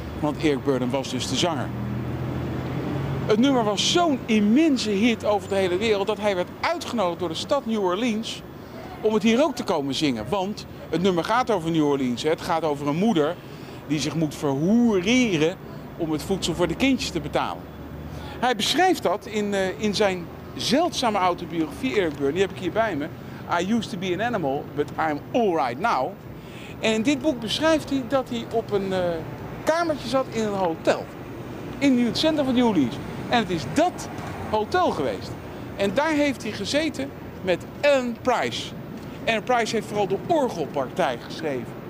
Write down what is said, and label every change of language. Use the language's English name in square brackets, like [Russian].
[Dutch] Want Eric Burdon was dus de zanger. Het nummer was zo'n immense hit over de hele wereld dat hij werd uitgenodigd door de stad New Orleans om het hier ook te komen zingen. Want het nummer gaat over New Orleans. Het gaat over een moeder die zich moet verhoereren om het voedsel voor de kindjes te betalen. Hij beschrijft dat in zijn zeldzame autobiografie, Eric Byrne, die heb ik hier bij me. [English] I used to be an animal, but I'm all right now. [Dutch] En in dit boek beschrijft hij dat hij op een kamertje zat in een hotel. In het centrum van New Orleans. En het is dat hotel geweest. En daar heeft hij gezeten met Alan Price. En Price heeft vooral de orgelpartij geschreven.